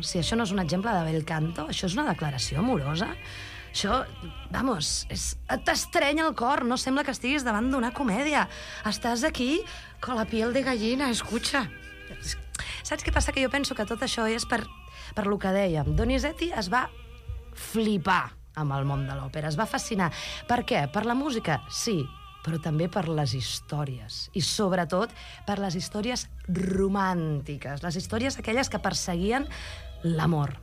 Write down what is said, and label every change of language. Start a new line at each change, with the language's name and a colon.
Catalan: Si això no és un exemple de bel canto, això és una declaració amorosa. Això, vamos, t'estreny el cor, no sembla que estiguis davant d'una comèdia.
Spanish: Estàs aquí con la piel de gallina, escucha.
Catalan: Saps què passa? Que jo penso que tot això és per el que dèiem. Donizetti es va flipar amb el món de l'òpera, es va fascinar. Per què? Per la música, sí, però també per les històries. I sobretot per les històries romàntiques, les històries aquelles que perseguien l'amor.